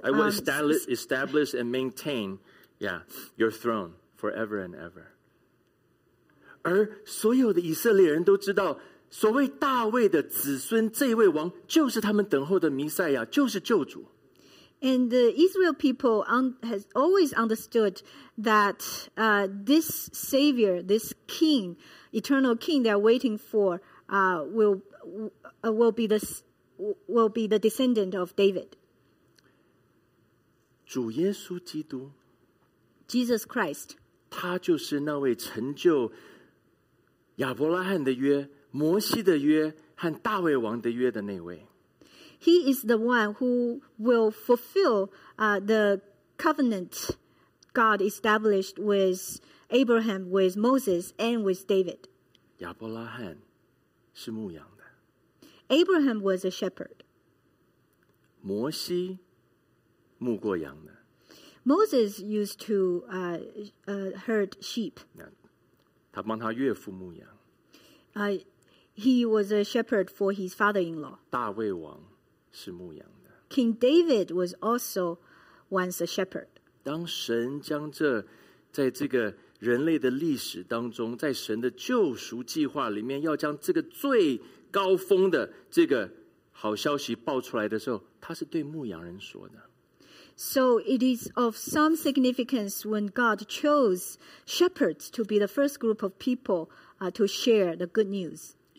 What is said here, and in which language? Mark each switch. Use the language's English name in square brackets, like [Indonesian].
[English] I will establish and maintain, yeah, your throne forever and ever. [Chinese] 而所有的以色列人都知道，所谓大卫的子孙这位王就是他们等候的弥赛亚，就是救主。 [English] And the Israel people has always understood that this Savior, this King. Eternal King they are waiting for will be the descendant of David. [Chinese] 主耶稣基督 [English] Jesus Christ. [Chinese] 他就是那位成就亚伯拉罕的约、摩西的约和大卫王的约的那位。 [English] He is the one who will fulfill the covenant God established with Abraham, with Moses, and with David. [Chinese] 亚伯拉罕是牧羊的。 [English] Abraham was a shepherd. [Chinese] 摩西牧过羊的。 [English] Moses used to herd sheep. [Chinese] 他帮他岳父牧羊。 [English] He was a shepherd for his father-in-law. [Chinese] 大卫王是牧羊的。 [English] King David was also once a shepherd. [Chinese] 当神将这在这个人类的历史当中，在神的救赎计划里面，要将这个最高峰的这个好消息报出来的时候，他是对牧羊人说的。 [English] So it is of some significance when God chose shepherds to be the first group of people to share the good news.